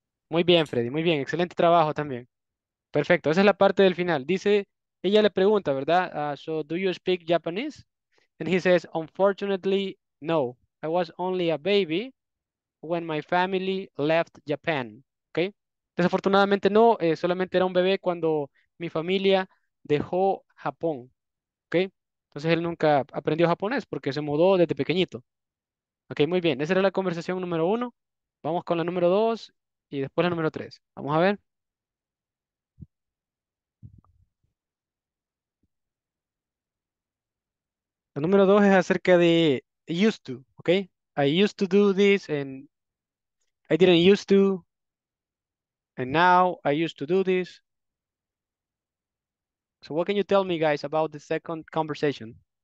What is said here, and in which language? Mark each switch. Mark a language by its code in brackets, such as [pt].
[es] Muy bien, Freddy. Muy bien. Excelente trabajo también. Perfecto. Esa es la parte del final. Dice, ella le pregunta, ¿verdad? [en] So, do you speak Japanese? And he says, unfortunately, no. I was only a baby when my family left Japan. [es] Okay. Desafortunadamente, no. Solamente era un bebé cuando mi familia dejó Japón. Okay. Entonces, él nunca aprendió japonés porque se mudó desde pequeñito. Ok, muy bien. Esa era la conversación número 1. Vamos con la número 2 y después la número 3. Vamos a ver. La número 2 es acerca de used to, ok. [en] I used to do this and I didn't used to. And now I used to do this. So what can you tell me, guys, about the second conversation?